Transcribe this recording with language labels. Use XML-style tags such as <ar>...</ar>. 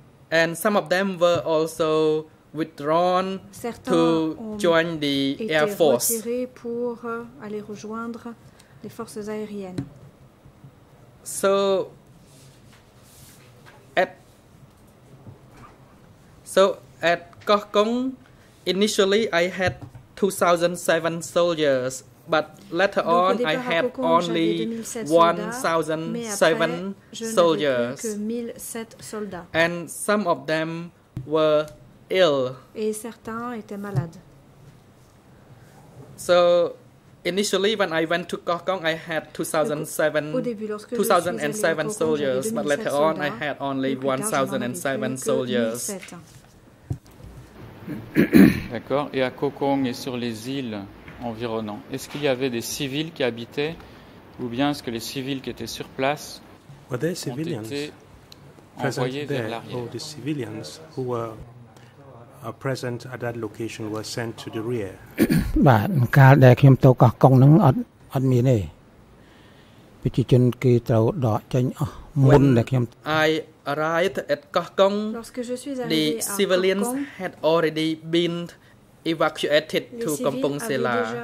<en>And some of them were also withdrawn to join the Air Force.</en> <fr>Certains ont été retirés pour aller rejoindre les forces aériennes.</fr> <en>So, at Koh Kong, initially I had 2,007 soldiers, but later on I had only 1,007 soldiers. And some of them were ill.</en> <fr>Et certains étaient malades.</fr> <en>So initially, when I went to Koh Kong, I had 2,007 soldiers, but later on, I had only 1,007 soldiers.</en> <fr>D'accord. Et à Koh Kong et sur les îles environnantes, est-ce qu'il y avait des civils qui habitaient, ou bien est-ce que les civils qui étaient sur place ont été envoyés vers l'arrière?</fr> <en>Or the civilians who were present at that location were sent to the rear.</en> <km>បាទការដែលខ្ញុំទៅកោះកុងនឹងអត់មានទេប្រជាជនគេត្រូវដកចេញអស់មុនដែលខ្ញុំ</km> <en>I arrived at Koh Kong. The civilians had already been evacuated to Kampong Sela.</en>